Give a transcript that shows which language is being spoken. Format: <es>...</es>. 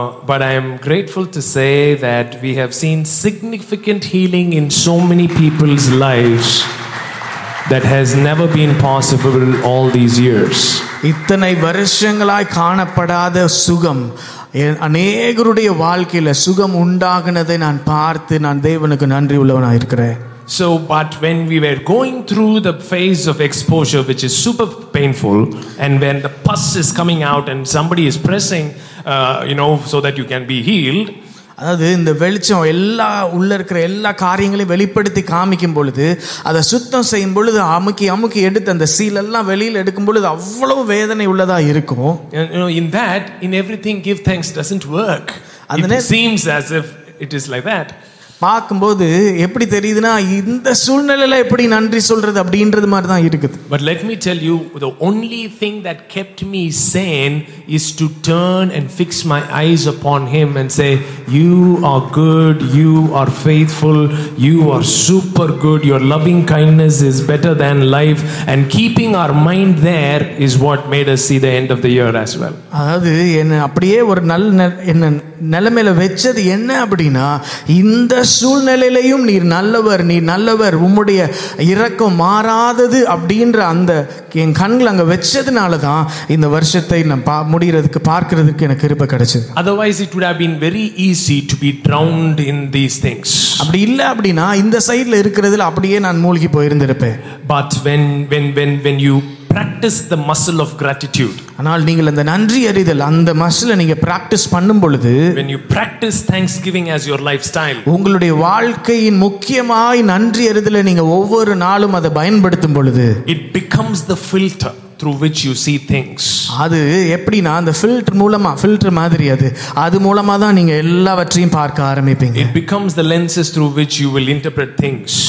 <en>But I am grateful to say that we have seen significant healing in so many people's lives that has never been possible all these years.</en> <ta>இத்தனை வருஷங்களாய் காணப்படாத சுகம் அநேகருடைய வாழ்க்கையில சுகம் உண்டாகனதை நான் பார்த்து நான் தேவனுக்கு நன்றி உள்ளவனாய் இருக்கிறேன்.</ta> <en>So but when we were going through the phase of exposure, which is super painful, and when the pus is coming out and somebody is pressing you know, so that you can be healed,</en> <ta>அதாவது இந்த வெளிச்சம் எல்லா உள்ள இருக்கிற எல்லா காரியங்களையும் வெளிப்படுத்தி காமிக்கும் பொழுது, அதை சுத்தம் செய்யும் பொழுது, அமுக்கி அமுக்கி எடுத்து அந்த சீல் எல்லாம் வெளியில் எடுக்கும் பொழுது அவ்வளவு வேதனை உள்ளதா இருக்கும்.</ta> <en>You know, in that, in everything, give thanks doesn't work. It seems as if it is like that.</en> <ta>பார்க்கும்போது எப்படி தெரியுதுன்னா இந்த சூழ்நிலையில எப்படி நன்றி சொல்றது அப்படின்றது மாதிரி தான் இருக்குது.</ta> <en>But let me tell you, the only thing that kept me sane is to turn and fix my eyes upon him and say, you are good, you are faithful, you are super good, your loving kindness is better than life, and keeping our mind there is what made us see the end of the year as well.</en> <ta>அதாவது என்ன அப்படியே ஒரு நல்ல என்ன நிலைமையில வச்சது என்ன அப்படின்னா, இந்த சூழ்நிலையிலையும் நீர் நல்லவர், நீர் நல்லவர், உம்முடைய இரக்கம் மாறாதது அப்படின்ற அந்த என் கண்கள் அங்க வச்சதுனால தான் இந்த வருஷத்தை நான் முடிகிறதுக்கு பார்க்கிறதுக்கு எனக்கு கிருபை கிடைச்சது.</ta> <en>Otherwise it would have been very easy to be drowned in these things.</en> <ta>அப்படி இல்ல அப்படினா இந்த சைடுல இருக்குறதுல அப்படியே நான் மூழ்கி போயிருந்திருப்பேன்.</ta> <en>But when you practice the muscle of gratitude,</en> <ta>ஆனால் நீங்கள் அந்த நன்றி அறிதல் அந்த மசில நீங்க பிராக்டீஸ் பண்ணும் பொழுது,</ta> <en>when you practice thanksgiving as your lifestyle,</en> <ta>உங்களுடைய வாழ்க்கையின் முக்கியமாய் நன்றி அறிதலை நீங்க ஒவ்வொரு நாளும் அதை பயன்படுத்தும் பொழுது,</ta> <en>it becomes the filter, through which you see things.</en> <ta>அது எப்படினா அந்த filter மூலமா, filter மாதிரி அது. அது மூலமா தான் நீங்க எல்லாவற்றையும் பார்க்க ஆரம்பிப்பீங்க.</ta> <en>It becomes the lenses through which you will interpret things.</en>